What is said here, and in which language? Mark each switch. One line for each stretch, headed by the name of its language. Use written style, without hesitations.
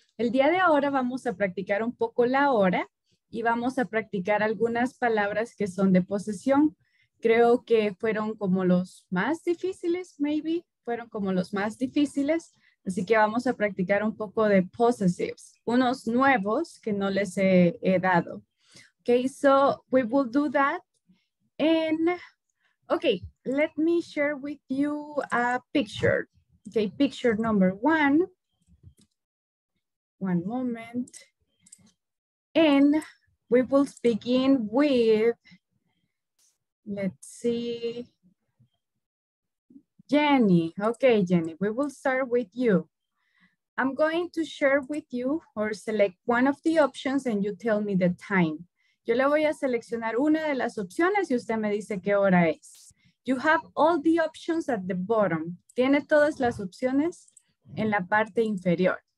Spanish: El día de ahora vamos a practicar un poco la hora y vamos a practicar algunas palabras que son de posesión. Creo que fueron como los más difíciles, maybe, fueron como los más difíciles. Así que vamos a practicar un poco de possessives, unos nuevos que no les he dado.
English: Okay, so we will do that in... Okay, let me share with you a picture. Okay, picture number one. One moment. And we will begin with, let's see, Jenny. Okay, Jenny, we will start with you. I'm going to share with you or select one of the options and you tell me the time.
Spanish: Yo le voy a seleccionar una de las opciones y usted me dice qué hora es.
English: You have all the options at the bottom.
Spanish: Tiene todas las opciones en la parte inferior.